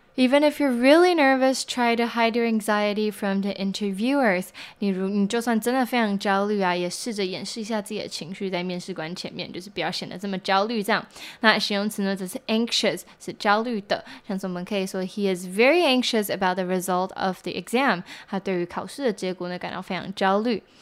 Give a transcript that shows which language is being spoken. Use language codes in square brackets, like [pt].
[en] Even if you're really nervous, try to hide your anxiety from the interviewers. [zh] 你就算真的非常焦虑啊，也试着掩饰一下自己的情绪在面试官前面，就是不要显得这么焦虑这样。那形容词呢，则是 anxious， 是焦虑的。像是我们可以说 [en] ，He is very anxious about the result of the exam. [zh] 他对于考试的结果呢，感到非常焦虑。